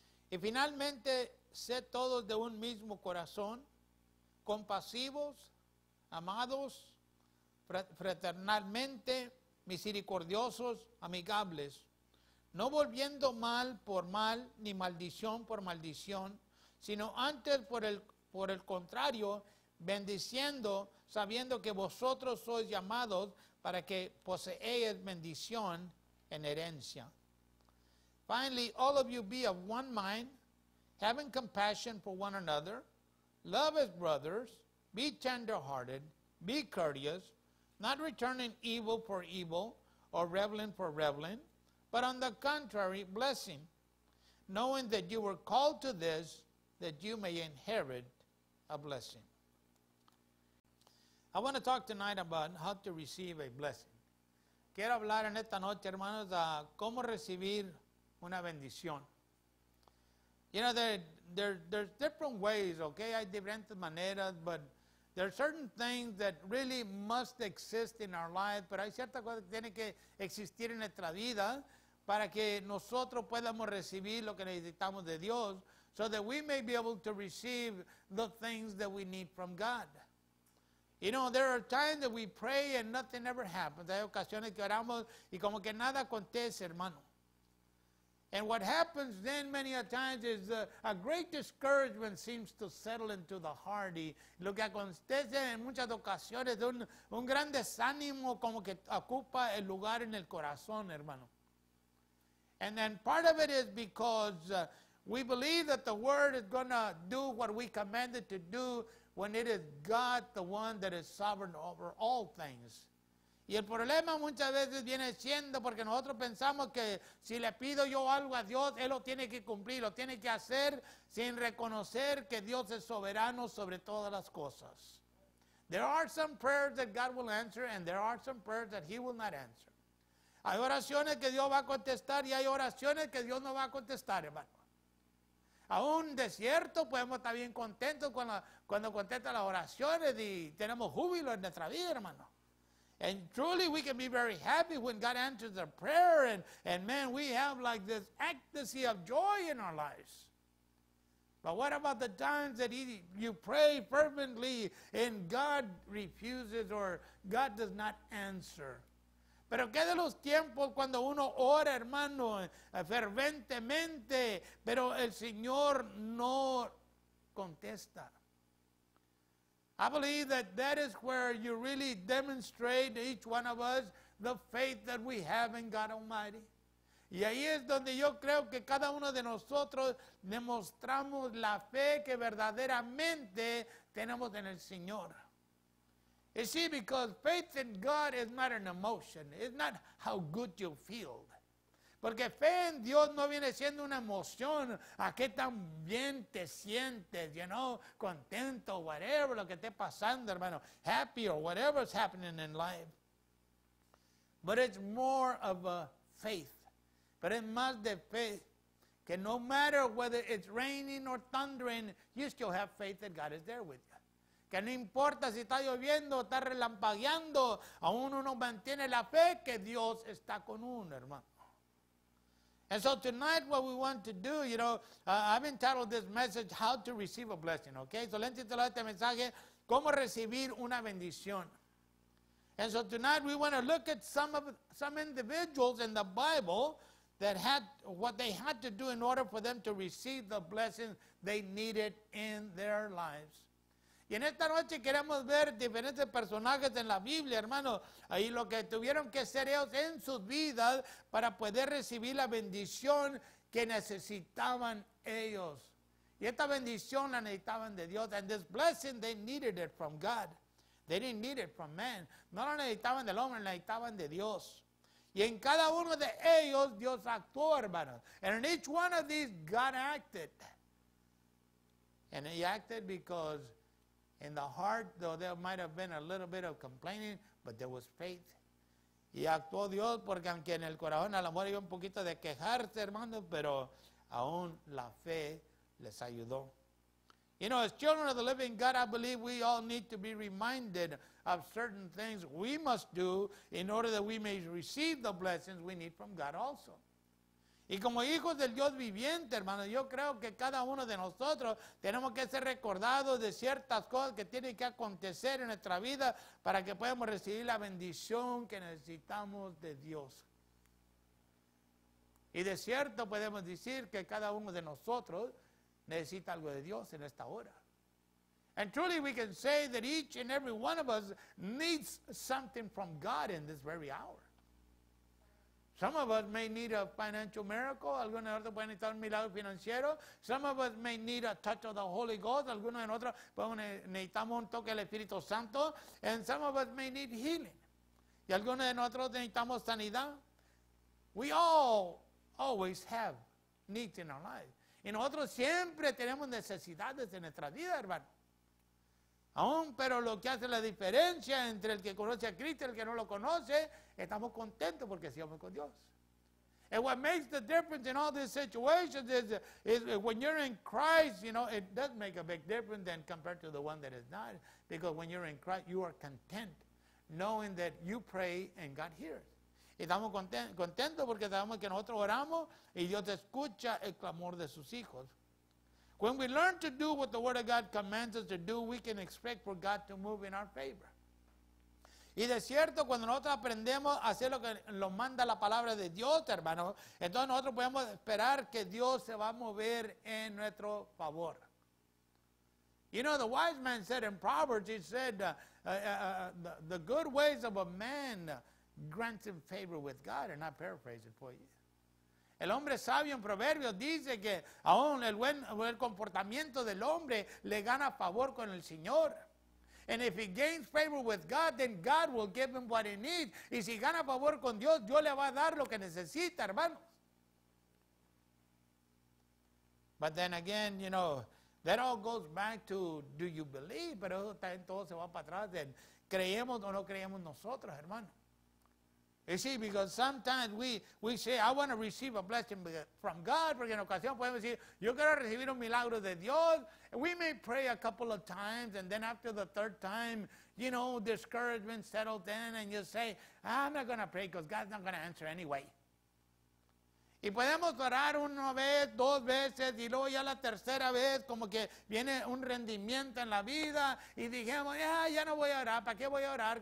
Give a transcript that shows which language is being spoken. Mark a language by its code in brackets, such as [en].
[es] Y finalmente, sed todos de un mismo corazón, compasivos, amados, fraternalmente, misericordiosos, amigables, no volviendo mal por mal, ni maldición por maldición, sino antes por el contrario, bendiciendo, sabiendo que vosotros sois llamados para que poseáis bendición en herencia. [en] Finally, all of you be of one mind, having compassion for one another, love as brothers, be tender-hearted, be courteous, not returning evil for evil or reviling for reviling, but on the contrary, blessing, knowing that you were called to this, that you may inherit a blessing. I want to talk tonight about how to receive a blessing. [es] Quiero hablar en esta noche, hermanos, de cómo recibir una bendición. [en] You know, there's different ways, okay? [es] Hay diferentes maneras, [en] but there are certain things that really must exist in our life, [es] pero hay ciertas cosas que tienen que existir en nuestra vida para que nosotros podamos recibir lo que necesitamos de Dios, [en] so that we may be able to receive the things that we need from God. You know, there are times that we pray and nothing ever happens. [es] Hay ocasiones que oramos y como que nada acontece, hermano. [en] And what happens then many a times is a great discouragement seems to settle into the heart. [es] Y lo que acontece en muchas ocasiones es un gran desánimo como que ocupa el lugar en el corazón, hermano. [en] And then part of it is because we believe that the word is going to do what we command it to do when it is God, the one that is sovereign over all things. [es] Y el problema muchas veces viene siendo porque nosotros pensamos que si le pido yo algo a Dios, Él lo tiene que cumplir, lo tiene que hacer sin reconocer que Dios es soberano sobre todas las cosas. [en] There are some prayers that God will answer and there are some prayers that He will not answer. [es] Hay oraciones que Dios va a contestar y hay oraciones que Dios no va a contestar, hermano. Aún desierto podemos estar bien contentos cuando contesta las oraciones y tenemos júbilo en nuestra vida, hermano. [en] And truly we can be very happy when God answers our prayer and man, we have like this ecstasy of joy in our lives. But what about the times that you pray fervently and God refuses or God does not answer? [es] Pero qué de los tiempos cuando uno ora, hermano, ferventemente, pero el Señor no contesta. [en] I believe that is where you really demonstrate to each one of us the faith that we have in God Almighty. [es] Y ahí es donde yo creo que cada uno de nosotros demostramos la fe que verdaderamente tenemos en el Señor. [en] You see, because faith in God is not an emotion. It's not how good you feel. [es] Porque fe en Dios no viene siendo una emoción a qué tan bien te sientes, [en] you know, [es] contento, [en] whatever, [es] lo que esté pasando, hermano, [en] happy or whatever is happening in life. But it's more of a faith. [es] Pero es más de fe, que [en] no matter whether it's raining or thundering, you still have faith that God is there with you. [es] Que no importa si está lloviendo o está relampagueando, aún uno mantiene la fe que Dios está con uno, hermano. [en] And so tonight what we want to do, you know, I've entitled this message, How to Receive a Blessing, okay? So let's entitle [es] este mensaje, ¿Cómo recibir una bendición? [en] And so tonight we want to look at some individuals in the Bible that had, what they had to do in order for them to receive the blessing they needed in their lives. [es] Y en esta noche queremos ver diferentes personajes en la Biblia, hermano, ahí lo que tuvieron que hacer ellos en sus vidas para poder recibir la bendición que necesitaban ellos. Y esta bendición la necesitaban de Dios. [en] And this blessing, they needed it from God. They didn't need it from man. [es] No la necesitaban del hombre, la necesitaban de Dios. Y en cada uno de ellos, Dios actuó, hermano. [en] And in each one of these, God acted. And He acted because in the heart, though there might have been a little bit of complaining, but there was faith. [es] Y actuó Dios porque aunque en el corazón a lo mejor había un poquito de quejarse, hermano, pero aún la fe les ayudó. [en] You know, as children of the living God, I believe we all need to be reminded of certain things we must do in order that we may receive the blessings we need from God also. [es] Y como hijos del Dios viviente, hermano, yo creo que cada uno de nosotros tenemos que ser recordados de ciertas cosas que tienen que acontecer en nuestra vida para que podamos recibir la bendición que necesitamos de Dios. Y de cierto podemos decir que cada uno de nosotros necesita algo de Dios en esta hora. [en] And truly we can say that each and every one of us needs something from God in this very hour. Some of us may need a financial miracle. [es] Algunos de nosotros pueden necesitar un milagro financiero. [en] Some of us may need a touch of the Holy Ghost. [es] Algunos de nosotros necesitamos un toque del Espíritu Santo. [en] And some of us may need healing. [es] Y algunos de nosotros necesitamos sanidad. [en] We all always have needs in our lives. [es] Y nosotros siempre tenemos necesidades en nuestra vida, hermano. Aún, pero lo que hace la diferencia entre el que conoce a Cristo y el que no lo conoce, estamos contentos porque sigamos con Dios. [en] And what makes the difference in all these situations is when you're in Christ, you know, it does make a big difference than compared to the one that is not. Because when you're in Christ, you are content knowing that you pray and God hears. [es] Estamos contentos porque sabemos que nosotros oramos y Dios escucha el clamor de sus hijos. [en] When we learn to do what the Word of God commands us to do, we can expect for God to move in our favor. [es] Y de cierto, cuando nosotros aprendemos a hacer lo que nos manda la palabra de Dios, hermano, entonces nosotros podemos esperar que Dios se va a mover en nuestro favor. [en] You know, the wise man said in Proverbs, he said, the good ways of a man grants him favor with God, and I paraphrase it for you. [es] El hombre sabio en Proverbios dice que aún el comportamiento del hombre le gana favor con el Señor. [en] And if he gains favor with God, then God will give him what he needs. [es] Y si gana favor con Dios, Dios le va a dar lo que necesita, hermano. [en] But then again, you know, that all goes back to, do you believe? [es] Pero eso también todo se va para atrás de, ¿creemos o no creemos nosotros, hermano? [en] You see, because sometimes we say, I want to receive a blessing from God. [es] Porque en ocasión podemos decir, yo quiero recibir un milagro de Dios. [en] And we may pray a couple of times, and then after the third time, you know, discouragement settles in, and you say, I'm not going to pray because God's not going to answer anyway. [es] Y podemos orar una vez, dos veces, y luego ya la tercera vez, como que viene un rendimiento en la vida, y dijimos, ya no voy a orar, ¿para qué voy a orar?